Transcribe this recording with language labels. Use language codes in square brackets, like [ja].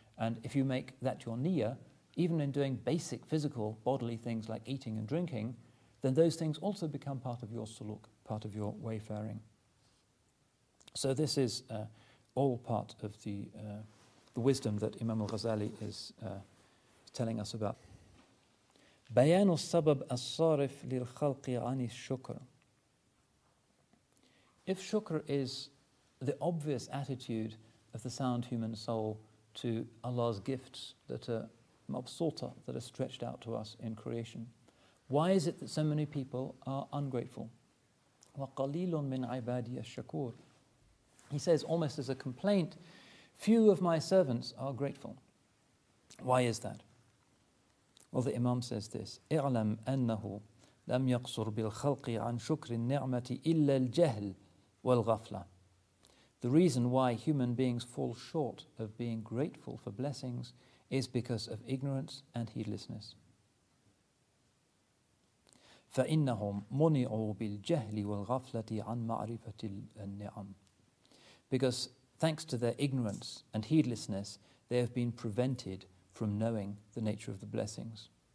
[en] And if you make that your niyyah, even in doing basic physical bodily things like eating and drinking, then those things also become part of your suluk, part of your wayfaring. So this is all part of the wisdom that Imam al-Ghazali is telling us about. [ar] بيان السبب الصارف للخلق عن الشكر. [en] If shukr is the obvious attitude of the sound human soul to Allah's gifts that are mabsuta, that are stretched out to us in creation, why is it that so many people are ungrateful? [ar] وَقَلِيلٌ مِنْ عِبَادِيَ الشَّكُورِ. [en] He says, almost as a complaint, few of my servants are grateful. Why is that? Well, the Imam says this, [ar] اعلم أنه لم يقصر بالخلق عن شكر النعمة إلا الجهل والغفلة. [en] The reason why human beings fall short of being grateful for blessings is because of ignorance and heedlessness. [ar] فإنهم منعوا بالجهل والغفلة عن معرفة النعم. [en] Because thanks to their ignorance and heedlessness, they have been prevented from knowing the nature of the blessings.